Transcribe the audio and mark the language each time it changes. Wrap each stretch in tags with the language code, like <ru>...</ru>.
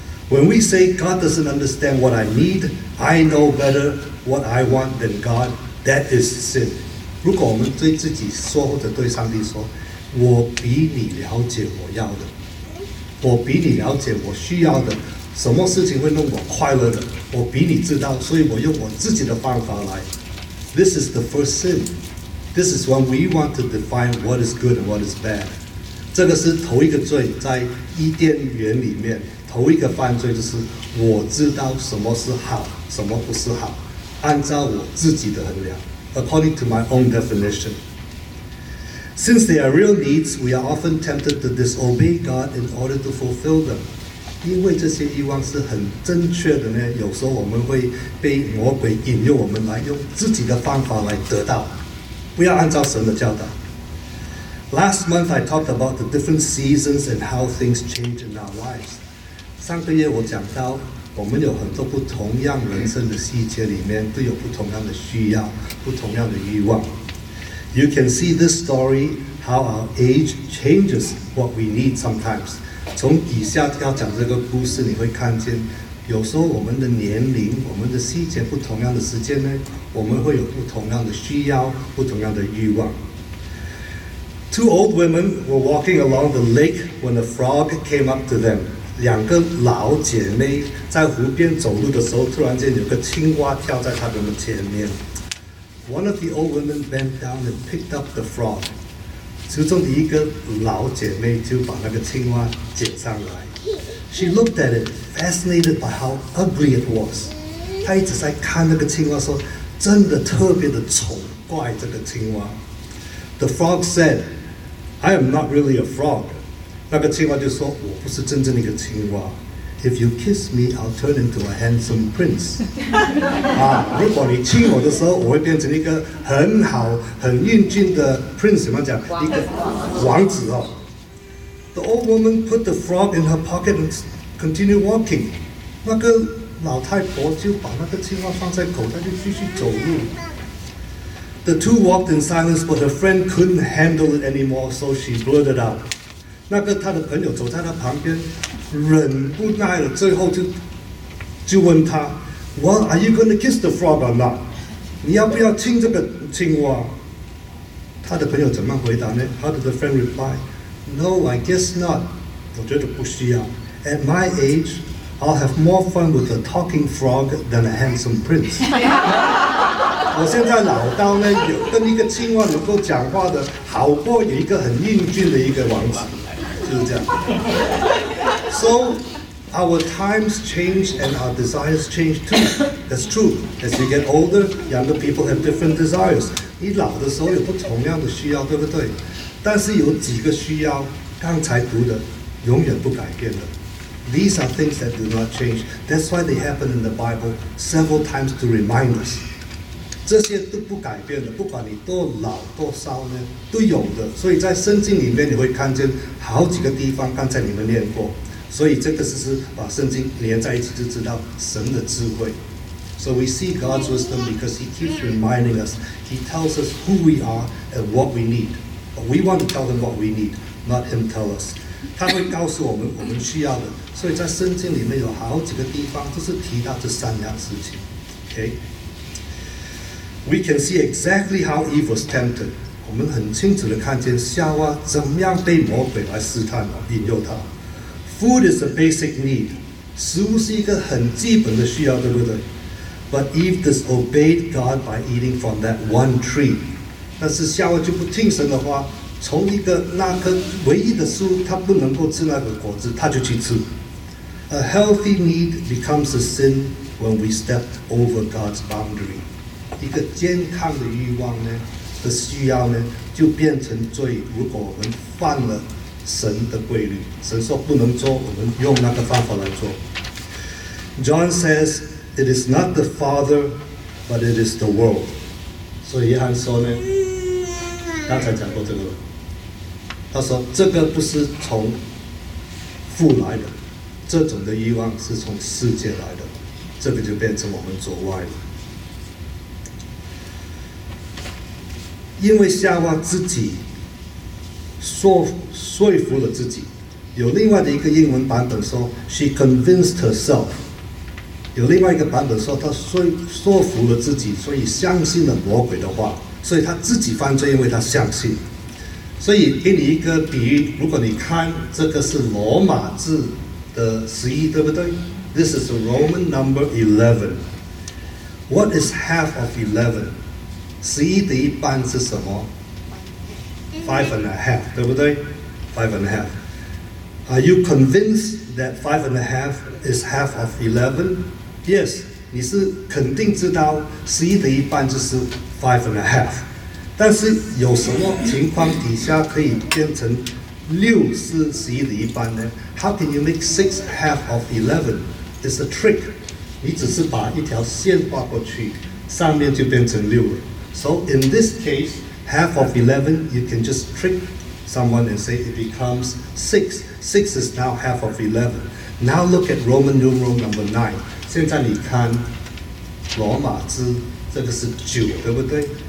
<en>When we say God doesn't understand what I need, I know better what I want than God, that is sin.</en> <zh>如果我们对自己说或者对上帝说，我比你了解我要的，我比你了解我需要的，什么事情会弄我快乐的，我比你知道，所以我用我自己的方法来。</zh> <en>This is the first sin. This is when we want to define what is good and what is bad.</en> <zh>这个是头一个罪，在伊甸园里面，头一个犯罪就是我知道什么是好，什么不是好，按照我自己的衡量 ，</zh> <en>according to my own definition. Since they are real needs, we are often tempted to disobey God in order to fulfill them.</en> <zh>因为这些欲望是很正确的呢，有时候我们会被魔鬼引诱，我们来用自己的方法来得到，不要按照神的教导。</zh> <en>Last month, I talked about the different seasons and how things change in our lives.</en> <zh>上个月我讲到，我们有很多不同样人生的细节里面都有不同样的需要，不同样的欲望。</zh> <en>You can see this story how our age changes what we need sometimes.</en> <zh>从以下要讲这个故事，你会看见，有时候我们的年龄、我们的细节不同样的时间呢，我们会有不同样的需要，不同样的欲望。</zh> <en>Two old women were walking along the lake when a frog came up to them.</en> <zh>两个老姐妹在湖边走路的时候，突然间有个青蛙跳在她们的前面。</zh> <en>One of the old women bent down and picked up the frog.</en> <zh>其中的一个老姐妹就把那个青蛙捡上来。</zh> <en>She looked at it, fascinated by how ugly it was.</en> <zh>她一直在看那个青蛙说，真的特别的丑怪这个青蛙。</zh> <en>The frog said, I am not really a frog.</en> <zh>那个青蛙就说，我不是真正的一个青蛙。</zh> <en>If you kiss me, I'll turn into a handsome prince.</en> <zh>啊，如果你亲我的时候，我会变成一个很好、很英俊的 prince， 怎么讲？一个王子哦。</zh> <en>The old woman put the frog in her pocket and continued walking.</en> <zh>那个老太婆就把那个青蛙放在口袋，就继续走路。</zh> <en>The two walked in silence, but her friend couldn't handle it anymore, so she blurted out.</en> <zh>那个她的朋友走在她旁边，忍不耐了，最后就问她 ，</zh> <en>Well, are you going to kiss the frog or not?</en> <zh>你要不要亲这个青蛙？她的朋友怎么回答呢 ？</zh> <en>How did the friend reply? No, I guess not.</en> <zh>我觉得不需要。</zh> <en>At my age, I'll have more fun with a talking frog than a handsome prince.</en> <zh>我现在老到呢，有跟一个青蛙能够讲话的，好过有一个很英俊的一个王子，就是这样。</zh> <en>So, our times change and our desires change too. That's true. As you get older, younger people have different desires.</en> <zh>你老的时候有不同样的需要，对不对？但是有几个需要，刚才读的，永远不改变的。</zh> <en>These are things that do not change. That's why they happen in the Bible several times to remind us.</en> <zh>这些都不改变的，不管你多老多少呢，都有的。所以在圣经里面你会看见好几个地方，刚才你们念过。所以这个是把圣经连在一起，就知道神的智慧。 So we see God's wisdom because He keeps reminding us. He tells us who we are and what we need. But we want to tell Him what we need, not Him tell us. 他会告诉我们我们需要的。所以在圣经里面有好几个地方都是提到这三样事情。</zh> <en>OK。 We can see exactly how Eve was tempted.</en> <zh>我们很清楚地看见夏娃怎么样被魔鬼来试探、引诱她。</zh> <en>Food is a basic need.</en> <zh>食物是一个很基本的需要，对不对？</zh> <en>But Eve disobeyed God by eating from that one tree.</en> <zh>但是夏娃就不听神的话，从一个那棵唯一的树，她不能够吃那个果子，她就去吃。</zh> <en>A healthy need becomes a sin when we step over God's boundary.</en> <zh>一个健康的欲望呢，的需要呢，就变成罪。如果我们犯了神的规律，神说不能做，我们用那个方法来做。</zh> <en>John says, "It is not the Father, but it is the world."</en> <zh>所以约翰说呢，刚才讲过这个了。他说这个不是从父来的，这种的欲望是从世界来的，这个就变成我们阻碍了。因为夏娃自己 说服了自己，有另外的一个英文版本说</zh> <en>she convinced herself，</en> <zh>有另外一个版本说她 说服了自己，所以相信了魔鬼的话，所以她自己犯罪，因为她相信。所以给你一个比喻，如果你看这个是罗马字的11，对不对？</zh> <en>This is a Roman number 11. What is half of 11?</en> <zh>11的一半是什么?5.5，对不对?5.5。</zh> <en>Are you convinced that 5.5 is half of 11?</en> <zh>Yes, 你是肯定知道11的一半就是 5.5。但是有什么情况底下可以变成6是11的一半呢?</zh> <en>How can you make 6 half of 11? It's a trick.</en> <zh>你只是把一条线画过去，上面就变成6了。</zh> <en>So in this case, half of 11, you can just trick someone and say it becomes 6. 6 is now half of 11. Now look at Roman numeral number 9.</en> <zh>现在你看罗马字，这个是9，对不对?</zh>